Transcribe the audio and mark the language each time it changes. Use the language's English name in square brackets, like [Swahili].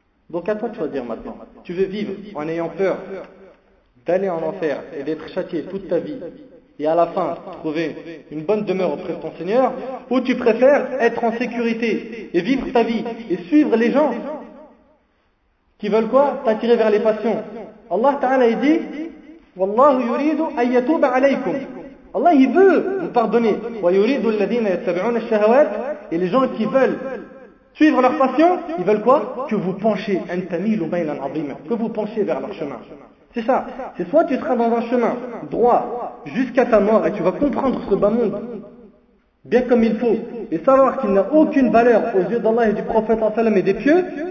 [French] Donc à toi de choisir maintenant. Tu veux vivre en ayant peur d'aller en enfer et d'être châtié toute ta vie et à la fin trouver une bonne demeure auprès de ton Seigneur, ou tu préfères être en sécurité et vivre ta vie et suivre les gens qui veulent quoi? T'attirer vers les passions. [Arabic] Allah Ta'ala [French] il dit [Arabic] والله يريد أن يتوب عليكم. [French] Allah il veut vous pardonner. [Arabic] ويريد الذين يتبعون الشهوات. [French] Et les gens qui veulent suivre leur passion, ils veulent quoi? Que vous penchez un tamil ou bien un, que vous penchez vers leur chemin. C'est ça. C'est soit tu seras dans un chemin droit jusqu'à ta mort et tu vas comprendre ce bas monde bien comme il faut et savoir qu'il n'a aucune valeur aux yeux d'Allah et du prophète sallam et des pieux.